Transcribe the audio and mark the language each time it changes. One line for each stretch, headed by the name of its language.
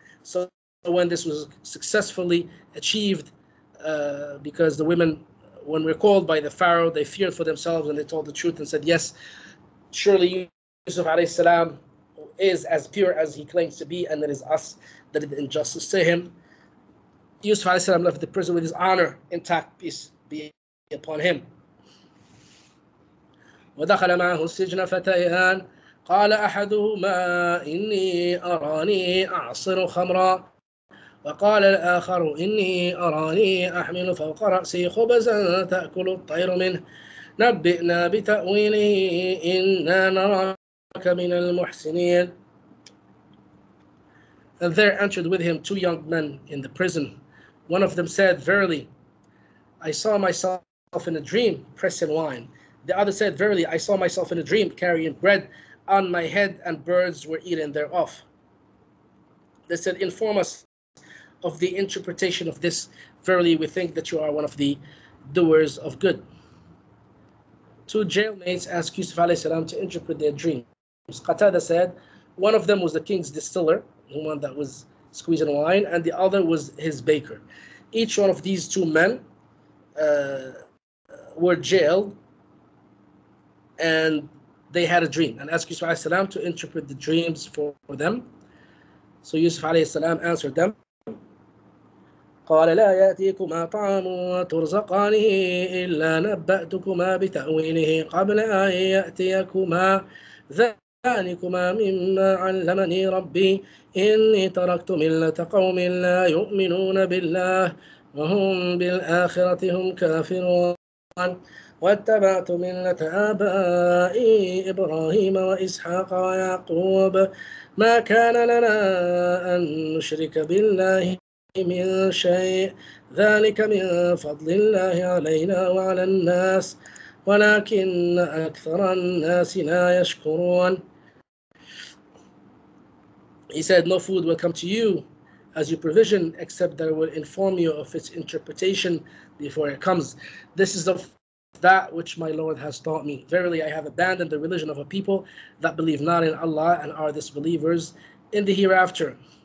English: So when this was successfully achieved, because the women, when recalled by the Pharaoh, they feared for themselves and they told the truth and said, yes, surely Yusuf alayhi salam is as pure as he claims to be, and it is us that did injustice to him. Yusuf alayhi salam left the prison with his honor intact, peace be upon him.
Arabic: ودخل معه السجن فتيان قال أحدهما إني أراني أعصر خمرا وقال الآخر إني أراني أحمل فوق رأسي خبزا تأكل الطير منه نبئنا بتأويله إنا نراك من المحسنين.
English: And there entered with him two young men in the prison. One of them said, verily, I saw myself in a dream pressing wine. The other said, verily, I saw myself in a dream carrying bread on my head, and birds were eating thereof. They said, inform us of the interpretation of this. Verily, we think that you are one of the doers of good. Two jailmates asked Yusuf alayhi salam to interpret their dreams. Qatada said, one of them was the king's distiller, the one that was squeezing wine, and the other was his baker. Each one of these two men were jailed, and they had a dream, and asked Yusuf alayhi salam to interpret the dreams for them. So Yusuf alayhi salam answered them,
Arabic: قَالَ لَا يَأْتِيكُمَا طَعَامٌ وَتُرْزَقَانِهِ إِلَّا نَبَّأْتُكُمَا بِتَأْوِيلِهِ قَبْلَ أَنْ يَأْتِيَكُمَا ذَلِكُمَا مِمَّا عَلَّمَنِي رَبِّي إِنِّي تَرَكْتُ مِلَّةَ قَوْمٍ لَا يُؤْمِنُونَ بِاللَّهِ وَهُمْ بِالْآخِرَةِ هُمْ كَافِرُونَ واتبعت ملة آبائي إبراهيم وإسحاق ويعقوب ما كان لنا أن نشرك بالله من شيء ذلك من فضل الله علينا وعلى الناس ولكن أكثر الناس لا يشكرون.
English: He said, no food will come to you as you provision, except that it will inform you of its interpretation before it comes. This is of that which my Lord has taught me. Verily, I have abandoned the religion of a people that believe not in Allah and are disbelievers in the hereafter.